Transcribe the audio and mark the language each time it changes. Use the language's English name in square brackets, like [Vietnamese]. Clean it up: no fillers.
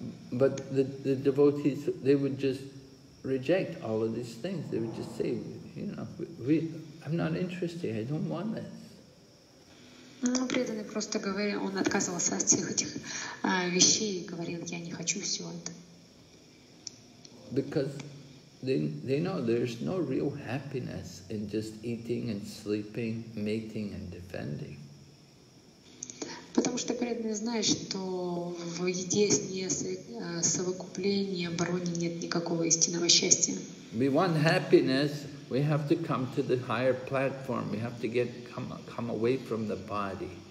[English] But the devotees, they would just reject all of these things. They would just say, "You know, I'm not interested. I don't want this." [Russian] Ну, преданный просто говорил, он отказывался от всех этих вещей и говорил, я не хочу всего этого. [English] Because they know there's no real happiness in just eating and sleeping, mating and defending. [Russian] Потому что преданный знает, что в еде с совокуплении, обороне нет никакого истинного счастья. [English] We want happiness. We have to come to the higher platform. We have to come away from the body.